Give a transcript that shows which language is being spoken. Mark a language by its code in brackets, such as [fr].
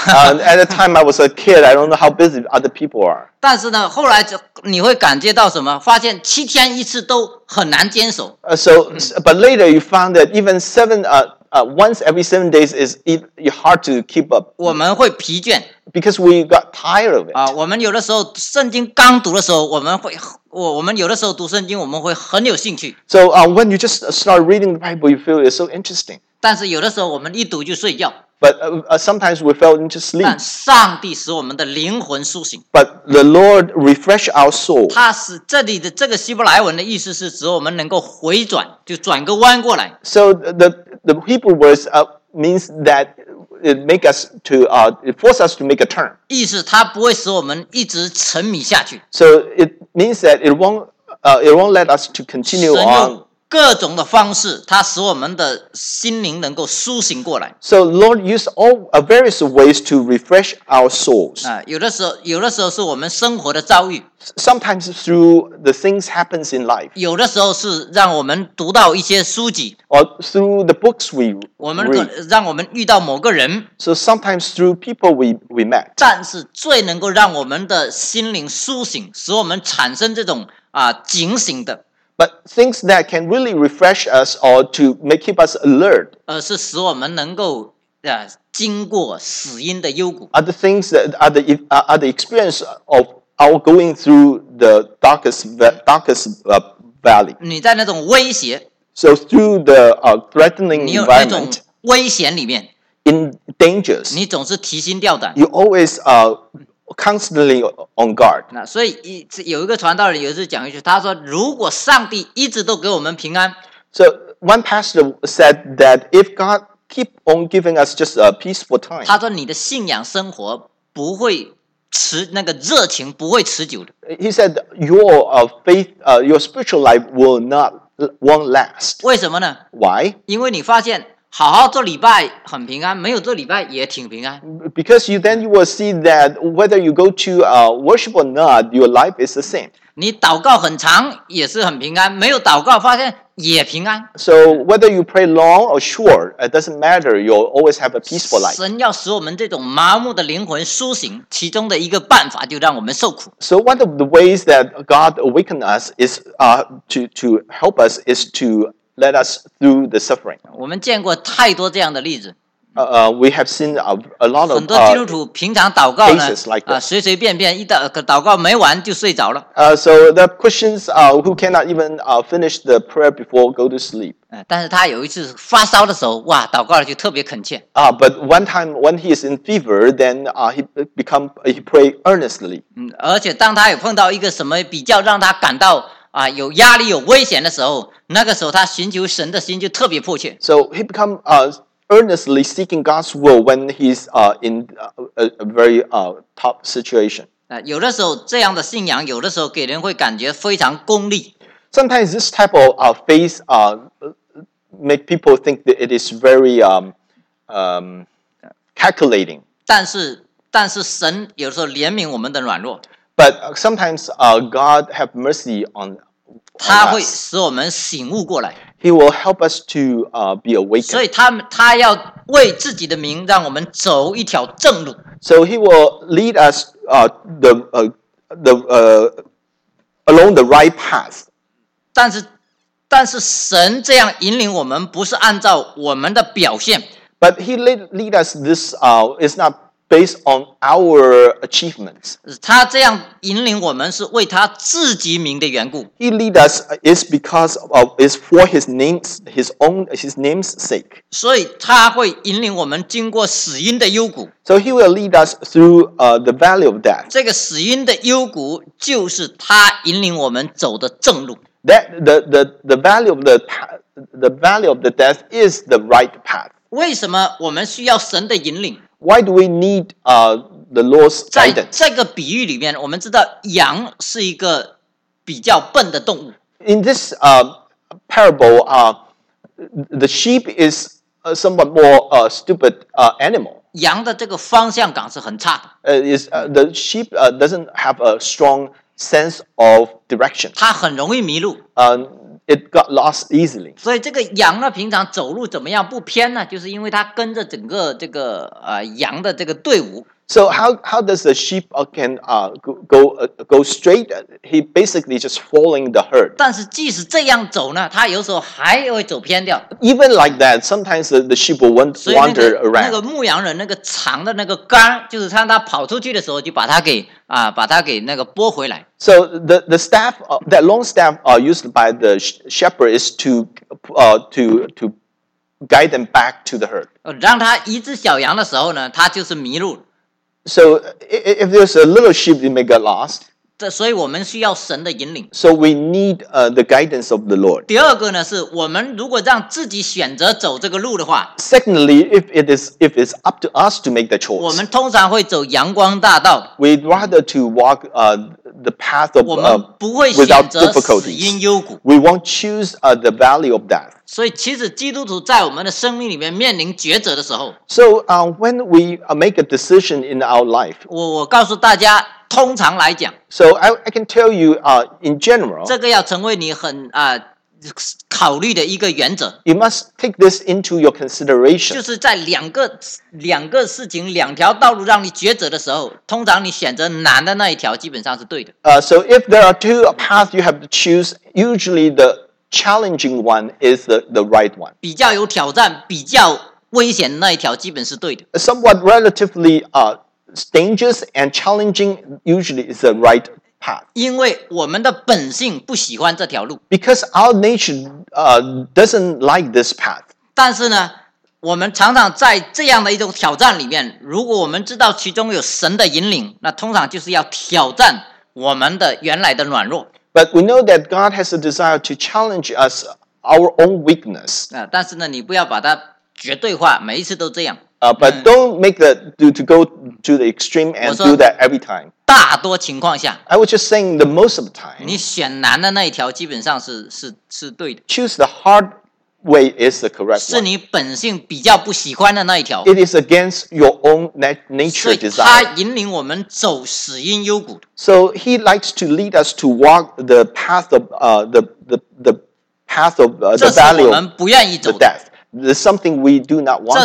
[en] At the time I was a kid, I don't know how busy other people are. [zh] 但是呢，后来你会感觉到什么？发现七天一次都很难坚守。 [en] But later you found that even once every 7 days is hard to keep up. [zh] 我们会疲倦。 [en] Because we got tired of it. [zh] 我们有的时候圣经刚读的时候，我们有的时候读圣经，我们会很有兴趣。 [en] So when you just start reading the Bible, you feel it's so interesting. [zh] 但是有的时候我们一读就睡觉。 [en] But sometimes we fell into sleep. [zh] 但上帝使我们的灵魂苏醒。 [en] But the Lord refresh our soul. [zh] 他使这里的这个希伯来文的意思是指我们能够回转，就转个弯过来。 [en] So the Hebrew words means that it make us to it force us to make a turn. [zh] 意思它不会使我们一直沉迷下去。 [en] So it means that it won't let us to continue on. [zh] 各种的方式，它使我们的心灵能够苏醒过来。 [en] So Lord used all various ways to refresh our souls. [zh] 有的时候是我们生活的遭遇。 [en] Sometimes through the things happens in life. [zh] 有的时候是让我们读到一些书籍。 [en] Or through the books we read. [zh] 让我们遇到某个人。 [en] So sometimes through people we met. [zh] 但是最能够让我们的心灵苏醒，使我们产生这种警醒的。 [en] But things that can really refresh us or to keep us alert, [zh] 是使我们能够经过死荫的幽谷。 [en] Are the things that are the experience of our going through the darkest valley. [zh] 你在那种威胁。 [en] So through the threatening environment. [zh] 你有那种危险里面。 [en] In dangers. [zh] 你总是提心吊胆。 [en] You always constantly on guard. [zh] 那所以有一个传道人有一次讲一句，他说：“如果上帝一直都给我们平安。” [en] So one pastor said that if God keep on giving us just a peaceful time, [zh] 他说你的信仰生活不会持那个热情不会持久的。 [en] He said your faith, your spiritual life will not won't last. [zh] 为什么呢 [en] ？Why? [zh] 因为你发现。好好做礼拜很平安，没有做礼拜也挺平安。 [en] Because you will see that whether you go to worship or not, your life is the same. [zh] 你祷告很长也是很平安，没有祷告发现也平安。 [en] So whether you pray long or short, it doesn't matter. You'll always have a peaceful life. [zh] 神要使我们这种麻木的灵魂苏醒，其中的一个办法就让我们受苦。 [en] So one of the ways that God awakens us is to help us is toLet us through the suffering. [zh] 我们见过太多这样的例子。 [en] We have seen a lot of [zh] 很多基督徒平常祷告呢， like、随随便便一祷祷告没完就睡着了。 [en] So the Christians who cannot even finish the prayer before go to sleep. [zh] 但是他有一次发烧的时候，哇，祷告了就特别恳切。 [en] But one time when he is in fever, then he pray earnestly. [zh] 而且当他有碰到一个什么比较让他感到有压力有危险的时候，那个时候他寻求神的心就特别迫切。 [en] So he become earnestly seeking God's will when he's in a very top situation. [zh] 有的时候这样的信仰，有的时候给人会感觉非常功利。 [en] Sometimes this type of faith make people think that it is very calculating. [zh] 但是神有的时候怜悯我们的软弱。 [en] But sometimes God have mercy on us. [zh] 他会使我们醒悟过来。 [en] He will help us to be awakened. [zh] 所以他要为自己的名让我们走一条正路。 [en] So he will lead us along the right path. [zh] 但是神这样引领我们不是按照我们的表现。 [en] But he lead us this is not. Based on our achievements, [zh] 他这样引领我们是为他自己名的缘故。 [en] He lead us is because of is for his name's his own his name's sake. [zh] 所以他会引领我们经过死荫的幽谷。 [en] So he will lead us through the valley of death. [zh] 这个死荫的幽谷就是他引领我们走的正路。 [en] That the valley of the valley of the death is the right path. [zh] 为什么我们需要神的引领？ [en] Why do we need the Lord's guidance? [zh] 在这个比喻里面，我们知道羊是一个比较笨的动物。 [en] In this parable, the sheep is somewhat more stupid animal. [zh] 羊的这个方向感是很差的。 [en] The sheep doesn't have a strong sense of direction. [zh] 它很容易迷路。 [en] It got lost easily. [zh] 所以这个羊呢，平常走路怎么样不偏呢？就是因为它跟着整个这个羊的这个队伍。 [en] So how does the sheep can go straight? He basically just following the herd. [zh] 但是即使这样走呢，它有时候还会走偏掉。 [en] Even like that, sometimes the sheep will wander around. [zh] 那个牧羊人那个长的那个杆，就是当他跑出去的时候，就把它给把它给那个拨回来。 [en] So the staff that long staff used by the shepherd is to guide them back to the herd. [zh] 让他一只小羊的时候呢，他就是迷路。 [en] So if there's a little sheep, it may get lost. [zh] 所以我们需要神的引领。 [en] So we need the guidance of the Lord. [zh] 第二个呢，是我们如果让自己选择走这个路的话。 [en] Secondly, if it's up to us to make the choice. [zh] 我们通常会走阳光大道。 [en] We'd rather to walk the path of without difficulty. We won't choose the valley of death. [zh] 所以其实基督徒在我们的生命里面面临抉择的时候。 [en] So when we make a decision in our life. [zh] 我告诉大家通常来讲。 [en] So I can tell you in general. [zh] 这个要成为你很考虑的一个原则。 [en] You must take this into your consideration. [zh] 就是在两个事情两条道路让你抉择的时候，通常你选择难的那一条基本上是对的。 [en] So if there are two paths you have to choose, usually the challenging one is the right one. [zh] 比较有挑战，比较危险那一条基本是对的。 [en] Somewhat relatively dangerous and challenging usually is the right path. [zh] 因为我们的本性不喜欢这条路。 [en] Because our nature doesn't like this path. [zh] 但是呢，我们常常在这样的一种挑战里面，如果我们知道其中有神的引领，那通常就是要挑战我们的原来的软弱。 [en] But we know that God has a desire to challenge us our own weakness. [zh] 但是呢，你不要把它绝对化，每一次都这样。 [en] But don't make the to go to the extreme and do that every time. [zh] 大多情况下 [en] ，I was just saying the most of the time. [zh] 你选难的那一条，基本上是对的。 [en] Choose the hard way is the correct one. [zh] 是你本性比较不喜欢的那一条。 [en] It is against your own nature desire. [zh] 所以他引领我们走死因幽谷。 [en] So he likes to lead us to walk the path of the path of the valley of death. This is something we do not want to choose.